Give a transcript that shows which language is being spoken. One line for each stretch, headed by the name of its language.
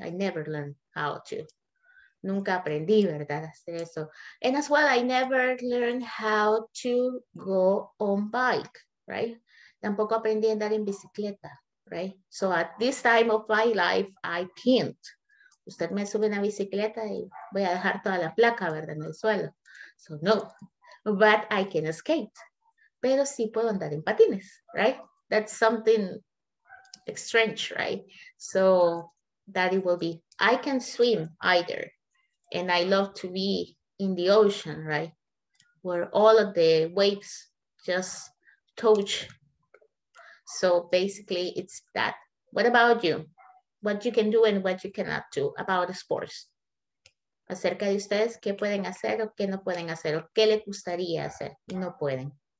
English: I never learned how to.
Spanish: Nunca aprendí, ¿verdad? Hacer eso.
English: And as well, I never learned how to go on bike, right?
Spanish: Tampoco aprendí a andar en bicicleta,
English: right? So at this time of my life, I can't.
Spanish: Usted me sube una bicicleta y voy a dejar toda la placa, ¿verdad? En el suelo.
English: So no. But I can skate.
Spanish: Pero sí puedo andar en patines, right?
English: That's something strange, right? So that it will be. I can swim either. And I love to be in the ocean, right? Where all of the waves just touch. So basically it's that. What about you? What you can do and what you cannot do about sports.
Spanish: Acerca de ustedes, ¿qué pueden hacer o qué no pueden hacer? ¿O qué les gustaría hacer y no pueden?